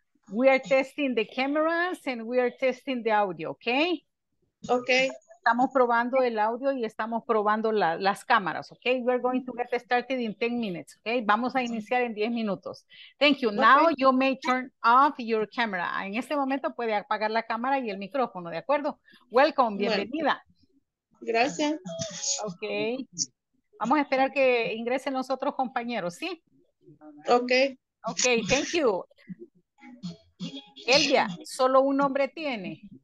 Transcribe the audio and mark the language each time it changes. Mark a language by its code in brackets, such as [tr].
[en] We are testing the cameras and we are testing the audio, okay? Okay. [es] Estamos probando el audio y estamos probando las cámaras, ¿ok? [en] We're going to get started in 10 minutes, ¿ok? [es] Vamos a iniciar en 10 minutos. [en] Thank you. Now Okay. you may turn off your camera. [es] En este momento puede apagar la cámara y el micrófono, ¿de acuerdo? [en] Welcome, [es] Bueno. bienvenida. Gracias. [en] Ok. [es] Vamos a esperar que ingresen los otros compañeros, ¿sí? [en] Okay. Ok, thank you. [es] Elvia, solo un nombre tiene.